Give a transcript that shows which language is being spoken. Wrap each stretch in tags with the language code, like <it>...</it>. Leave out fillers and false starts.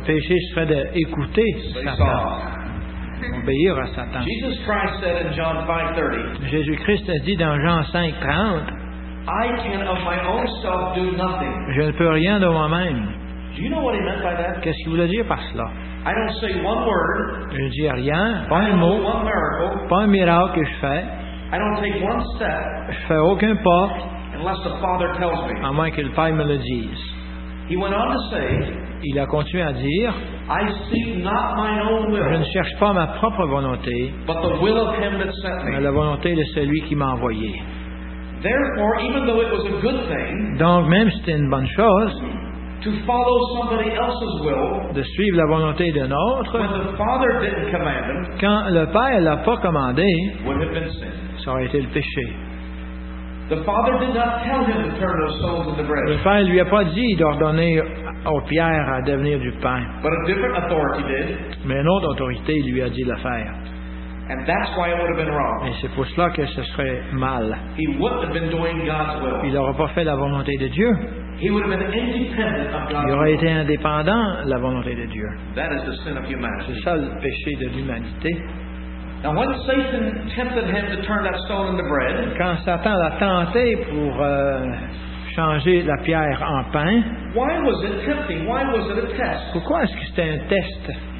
<fr>péché serait d'écouter Satan, obéir à Satan.</fr> <en>Jesus Christ said in John 5:30.</en> <fr>Jésus-Christ a dit dans Jean 5:30.</fr> <en>I can of my own self do nothing.</en> <fr>Je ne peux rien de moi-même.</fr> <en>Do you know what he meant by that?</en> <fr>Qu'est-ce qu'il voulait dire par cela?</fr> <en>I don't say one word.</en> <fr>Je ne dis rien, pas un mot,</fr> <en>one miracle.</en> <fr>Pas un miracle que je fais.</fr> <en>I don't take one step.</en> <fr>Je ne fais aucun pas.</fr> <en>Unless the Father tells me.</en> <fr>À moins que le Père me le dise.</fr> <en>He went on to say,</en> <fr>il a continué à dire,</fr> <en>I seek not my own will,</en> <fr>je ne cherche pas ma propre volonté,</fr> <en>but the will of him that sent me.</en> <fr>Mais la volonté de celui qui m'a envoyé.</fr> <en>Therefore, even though it was a good thing,</en> <fr>donc, même si c'était une bonne chose,</fr> <en>to follow somebody else's will,</en> <fr>de suivre la volonté d'un autre,</fr> <en>when the Father didn't command him,</en> <fr>quand le Père ne l'a pas commandé,</fr> <en>would have been sin.</en> <fr>Ça aurait été le péché.</fr> <en>The Father did not tell him to turn those stones into bread.</en> <fr>Le Père ne lui a pas dit d'ordonner aux pierres à devenir du pain.</fr> <en>But a different authority did.</en> <fr>Mais une autre autorité lui a dit de le faire.</fr> <en>And that's why it would have been wrong.</en> <fr>Et c'est pour cela que ce serait mal.</fr> <en>He wouldn't have been doing God's will.</en> <fr>Il n'aurait pas fait la volonté de Dieu.</fr> <en>He would have been independent of God's</en> <fr>will. Il aurait été indépendant de la volonté de Dieu.</fr> <en>That is the sin of humanity.</en> <fr>C'est ça le péché de l'humanité.</fr> <en>Now, when Satan tempted him to turn that stone into bread,</en> <fr>quand Satan l'a tenté pour changer la pierre en pain,</fr> <en>why was it tempting? Why was it a test?</en> <fr>Pourquoi est-ce que c'était un test?</fr>